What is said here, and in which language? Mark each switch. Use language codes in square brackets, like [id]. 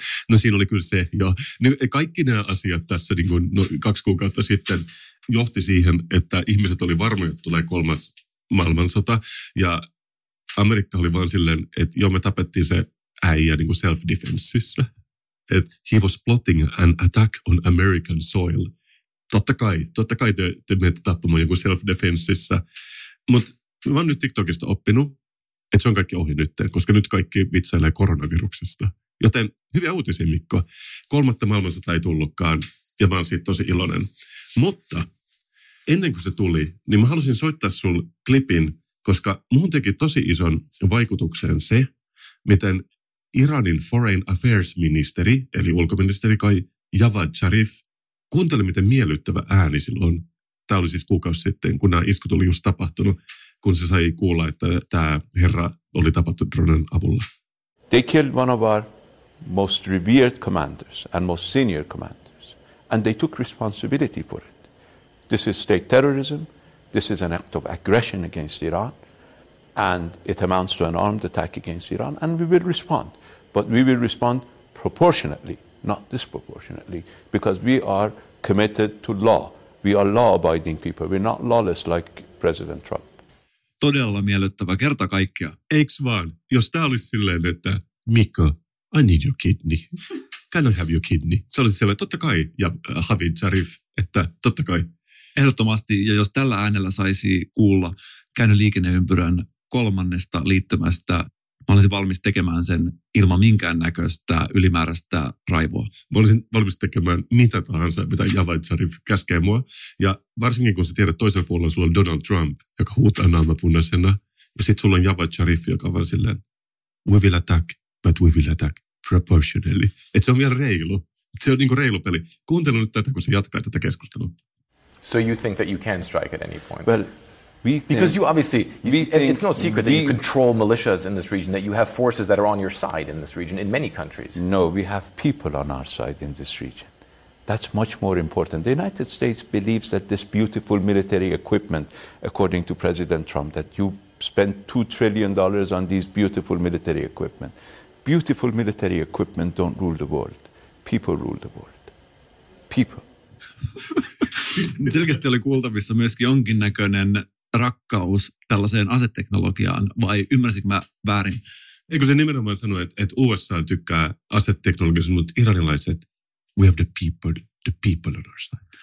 [fi] No siinä oli kyllä se, joo. Niin kaikki nämä asiat tässä niin kuin, no, 2 kuukautta sitten johti siihen, että ihmiset oli varmoja, että tulee kolmas maailmansota. Ja Amerikka oli vaan silleen, että joo, me tapettiin se äijä niin kuin self-defensissä. [en] Että he was plotting an attack on American soil. [fi] Totta kai te menette tappamaan joku self-defensissä. Mutta mä oon nyt TikTokista oppinut. Että se on kaikki ohi nyt, koska nyt kaikki vitsailee koronaviruksesta. Joten hyviä uutisia, Mikko. Kolmatta maailmansota ei tullutkaan ja mä oon siitä tosi iloinen. Mutta ennen kuin se tuli, niin mä halusin soittaa sun klipin, koska muun teki tosi ison vaikutukseen se, miten Iranin foreign affairs ministeri, eli ulkoministeri kai Javad Zarif, kuunteli miten miellyttävä ääni silloin. Tämä oli siis kuukausi sitten, kun nämä iskut oli just tapahtunut. Kun se sai kuulla, että tämä herra oli tapattu dronen avulla. [en] They killed one of our most revered commanders and most senior commanders. And they took responsibility for it. This is state terrorism. This is an act of aggression against Iran. And it amounts to an armed attack against Iran. And we will respond. But we will respond proportionately, not disproportionately. Because we are committed to law We are law-abiding people. We're not lawless like President Trump. [fi] Todella miellyttävä kerta kaikkia. Eiks vaan, jos tää olisi silleen, että Mikko, [en] I need your kidney. [fi] Can I have your kidney? Se olisi silleen, totta kai, ja Havid Zarif, että totta kai. Ehdottomasti, ja jos tällä äänellä saisi kuulla käynyt liikenneympyrän kolmannesta liittymästä, mä olisin valmis tekemään sen ilman minkäännäköistä ylimääräistä raivoa. Mä olisin valmis tekemään mitä tahansa, mitä Javad Zarif käskee mua. Ja varsinkin kun sä tiedät, toisella puolella sulla on Donald Trump, joka huutaa naamapunaisena. Ja sit sulla on Javad Zarif, joka on vaan silleen, [en] we will attack, but we will attack proportionally. [fi] Et se on vielä reilu. Et se on niinku reilu peli. Kuuntele nyt tätä, kun sä jatkaa tätä keskustelua. [en] So you think that you can strike at any point? Well, we think, because you obviously, it's no secret that you control militias in this region, that you have forces that are on your side in this region, in many countries. No, we have people on our side in this region. That's much more important. The United States believes that this beautiful military equipment, according to President Trump, that you spend $2 trillion on these beautiful military equipment. Beautiful military equipment don't rule the world. People rule the world. People. [fi] Selkeästi oli kuultavissa myöskin jonkinnäköinen rakkaus tällaiseen aseteknologiaan, vai ymmärsinkö mä väärin? Eikö se nimenomaan sanoa, että USA tykkää aseteknologiasta, mutta iranilaiset, [en] we have the people on our side.